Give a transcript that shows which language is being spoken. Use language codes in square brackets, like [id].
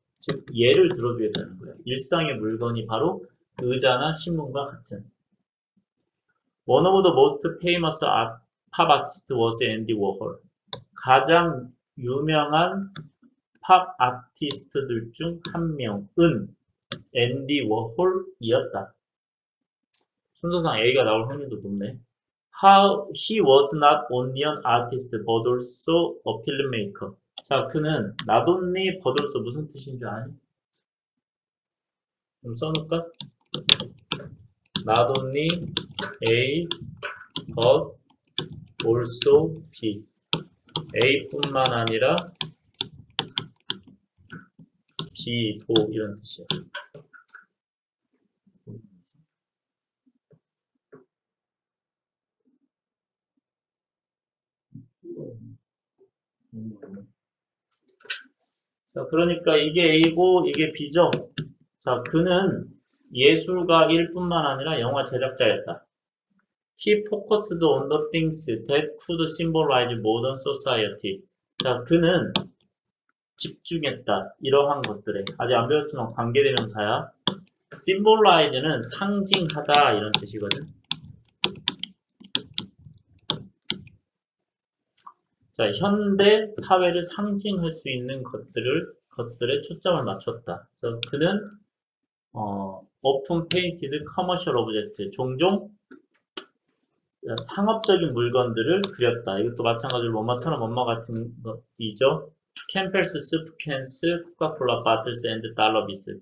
[ko] 즉, 예를 들어주겠다는 거야. 일상의 물건이 바로 의자나 신문과 같은. [en] One of the most famous pop artists was Andy Warhol. [ko] 가장 유명한 팝 아티스트들 중한 명은 앤디 워홀이었다. 순서상 A가 나올 확률도 높네. [en] How he was not only an artist but also a filmmaker. [ko] 자, 그는 not only but also 무슨 뜻인 줄 아니? 좀 써놓을까? [en] Not only A but also B. [ko] A뿐만 아니라 B도 이런 뜻이야. 자, 그러니까 이게 A고 이게 B죠. 자, 그는 예술가일 뿐만 아니라 영화 제작자였다. [en] He focused on the things that could symbolize modern society. [ko] 자, 그는 집중했다. 이러한 것들에. 아직 안 배웠지만 관계대명사야. symbolize는 상징하다. 이런 뜻이거든. 자, 현대 사회를 상징할 수 있는 것들에 초점을 맞췄다. 그래서 그는 [en] often painted commercial object, [ko] 종종 상업적인 물건들을 그렸다. 이것도 마찬가지로 뭐뭐처럼 뭐뭐 같은 것이죠. [en] Campbell's soup cans, Coca-Cola bottles and dollar bills.